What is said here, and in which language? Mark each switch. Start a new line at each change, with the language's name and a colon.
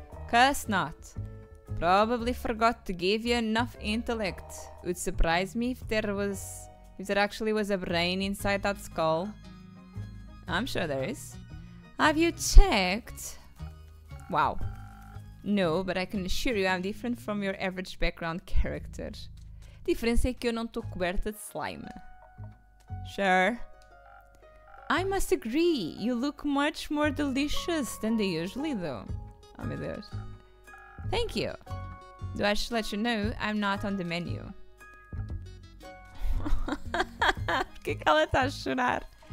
English: Cuss not. Probably forgot to give you enough intellect. Would surprise me if there actually was a brain inside that skull. I'm sure there is. Have you checked? Wow. No, but I can assure you I'm different from your average background character.
Portuguese: A diferença é que eu não estou coberta de slime.
English: Sure. I must agree, you look much more delicious than they usually do. Oh my god. Thank you. Do I should let you know I'm not on the menu?
Portuguese: Por que ela está a chorar?